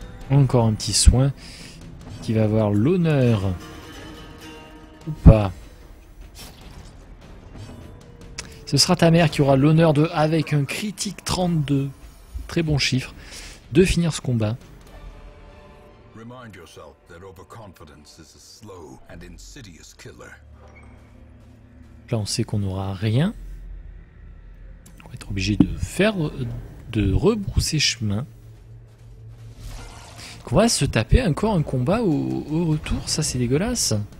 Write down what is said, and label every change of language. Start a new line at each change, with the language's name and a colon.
French: Encore un petit soin qui va avoir l'honneur ou pas. Ce sera ta mère qui aura l'honneur de, avec un critique 32, très bon chiffre, de finir ce combat.
English: Remind yourself that overconfidence is a slow and insidious killer.
French: Là, on sait qu'on n'aura rien. On va être obligé de faire, de rebrousser chemin. On va se taper encore un combat au retour. Ça, c'est dégueulasse.